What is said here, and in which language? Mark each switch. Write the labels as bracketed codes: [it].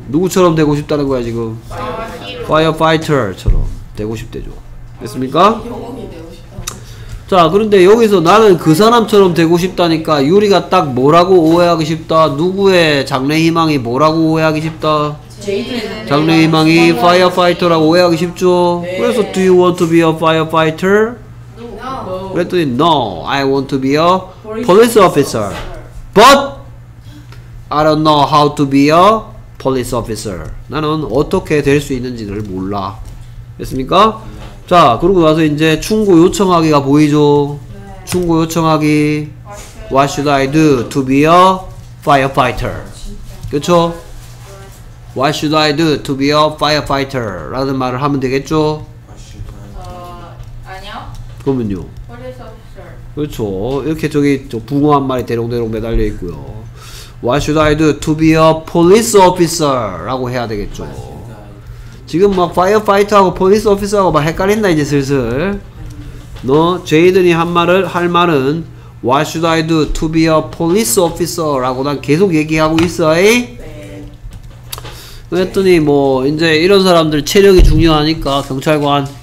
[ko] 누구처럼 되고 싶다는 거야, 지금? 파이어파이터처럼 되고 싶대죠. 됐습니까? 자, 그런데 여기서 나는 그 사람처럼 되고 싶다니까 유리가 딱 뭐라고 오해하기 쉽다? 누구의 장래희망이 뭐라고 오해하기 쉽다? 장래희망이 파이어파이터라고 오해하기 쉽죠? 네. 그래서 [en] Do you want to be a firefighter? No. [ko] 그랬더니 [en] No, I want to be a police officer. But I don't know how to be a police officer. [ko] 나는 어떻게 될 수 있는지를 몰라. 됐습니까? 자, 그러고 나서 이제 충고 요청하기가 보이죠? 네. 충고 요청하기. [en] What should I do to be a firefighter? [ko] 그쵸? [en] What should I do to be a firefighter? [ko] 라는 말을 하면 되겠죠? 아니요. 그러면요? [en] Police officer. [ko] 그쵸. 이렇게 저기 저 붕어 한 마리 대롱대롱 매달려 있고요. [en] What should I do to be a police officer? [ko] 라고 해야 되겠죠? 지금 막 파이어파이터하고 폴리스 오피서하고 막 헷갈린다 이제 슬슬. 너 제이든이 한 말을 할 말은 [en] What should I do to be a police officer? [ko] 라고 난 계속 얘기하고 있어. 네. 그랬더니 뭐 이제 이런 사람들 체력이 중요하니까 경찰관.